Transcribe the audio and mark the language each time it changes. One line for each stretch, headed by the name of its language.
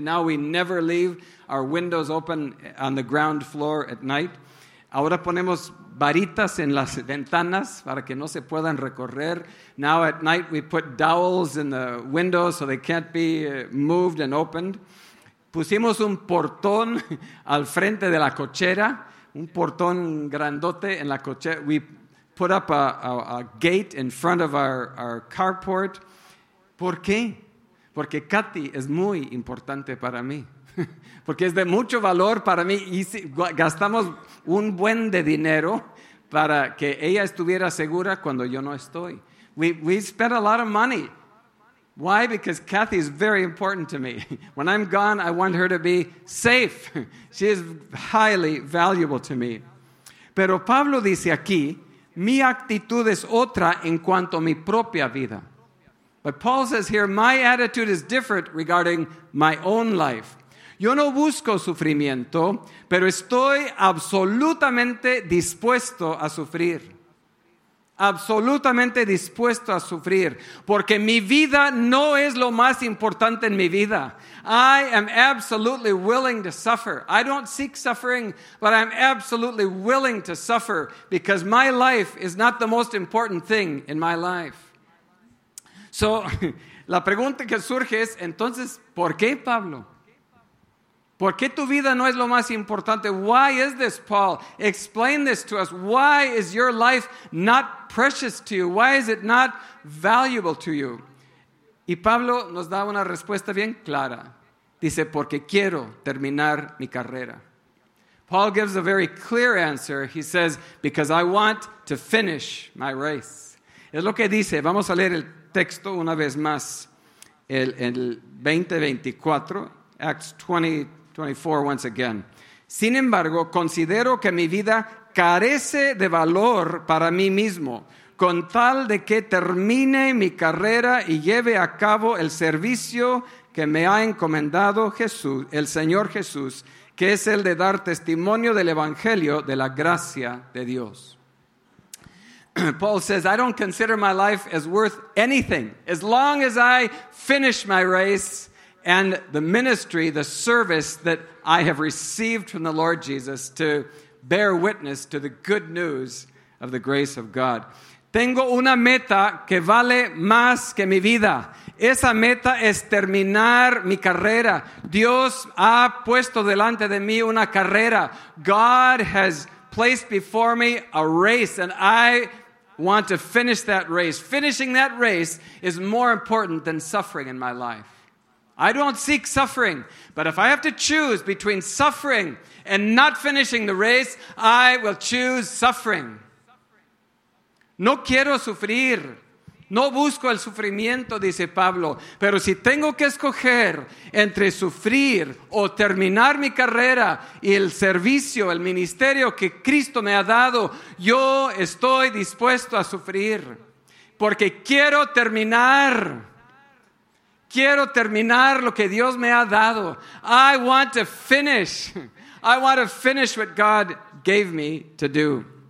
English: Now we never leave our windows open on the ground floor at night.
Spanish: Ahora ponemos varitas en las ventanas para que no se puedan recorrer.
English: Now at night we put dowels in the windows so they can't be moved and opened.
Spanish: Pusimos un portón al frente de la cochera, un portón grandote en la cochera.
English: We put up a gate in front of our carport.
Spanish: ¿Por qué? Porque Katy es muy importante para mí. Porque es de mucho valor para mí. Y si, gastamos un buen de dinero para que ella estuviera segura cuando yo no estoy.
English: We spent a lot of money. Why? Because Kathy is very important to me. When I'm gone, I want her to be safe. She is highly valuable to me.
Spanish: Pero Pablo dice aquí, mi actitud es otra en cuanto a mi propia vida.
English: But Paul says here, my attitude is different regarding my own life.
Spanish: Yo no busco sufrimiento, pero estoy absolutamente dispuesto a sufrir. Absolutamente dispuesto a sufrir, porque mi vida no es lo más importante en mi vida.
English: I am absolutely willing to suffer. I don't seek suffering, but I'm absolutely willing to suffer because my life is not the most important thing in my life.
Spanish: So, la pregunta que surge es, entonces, ¿por qué, Pablo? ¿Por qué tu vida no es lo más importante?
English: Why is this, Paul? Explain this to us. Why is your life not precious to you? Why is it not valuable to you?
Spanish: Y Pablo nos da una respuesta bien clara. Dice, porque quiero terminar mi carrera.
English: Paul gives a very clear answer. He says, because I want to finish my race.
Spanish: Es lo que dice. Vamos a leer el texto una vez más. El 2024,
English: Acts 20:24 once again.
Spanish: Sin embargo, considero que mi vida carece de valor para mí mismo, con tal de que termine mi carrera y lleve a cabo el servicio que me ha encomendado Jesús, el Señor Jesús, que es el de dar testimonio del Evangelio de la gracia de Dios.
English: Paul says, I don't consider my life as worth anything as long as I finish my race and the ministry, the service that I have received from the Lord Jesus to bear witness to the good news of the grace of God.
Spanish: Tengo una meta que vale más que mi vida. Esa meta es terminar mi carrera. Dios ha puesto delante de mí una carrera.
English: God has placed before me a race, and I want to finish that race. Finishing that race is more important than suffering in my life. I don't seek suffering, but if I have to choose between suffering and not finishing the race, I will choose suffering.
Spanish: No quiero sufrir. No busco el sufrimiento, dice Pablo. Pero si tengo que escoger entre sufrir o terminar mi carrera y el servicio, el ministerio que Cristo me ha dado, yo estoy dispuesto a sufrir. Porque quiero terminar. Quiero terminar lo que Dios me ha dado.
English: I want to finish. I want to finish what God gave me to do.